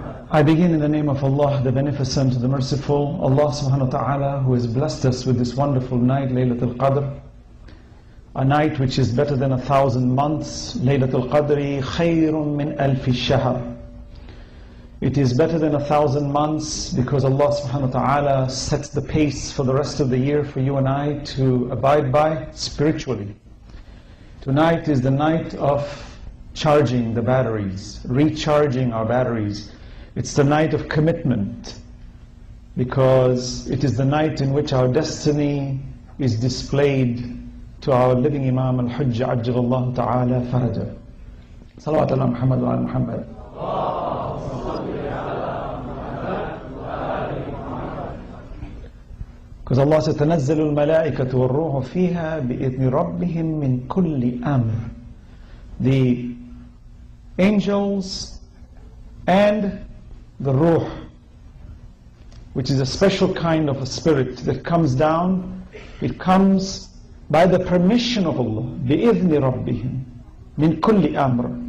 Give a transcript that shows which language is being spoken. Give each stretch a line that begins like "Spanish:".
English: I begin in the name of Allah, the Beneficent, the Merciful, Allah subhanahu wa ta'ala, who has blessed us with this wonderful night, Laylatul Qadr, a night which is better than 1,000 months.
Arabic: Laylatul Qadri khayrun min alfi shahr.
English: It is better than 1,000 months because Allah subhanahu wa ta'ala sets the pace for the rest of the year for you and I to abide by spiritually. Tonight is the night of charging the batteries, recharging our batteries. It's the night of commitment because it is the night in which our destiny is displayed to our living Imam Al-Hujja Ajjalallahu Ta'ala Faraja.
Arabic: Salawat ala Muhammad wa ala Muhammad.
English: Because Allah said,
Arabic: تَنَزَّلُ الْمَلَائِكَةُ وَالْرُوحُ فِيهَا بِإِذْنِ رَبِّهِمْ مِنْ كُلِّ أَمْرٍ.
English: The angels and the ruh, which is a special kind of a spirit that comes down, it comes by the permission of Allah,
Arabic: بِإِذْنِ رَبِّهِمْ مِنْ كُلِّ أَمْرٍ.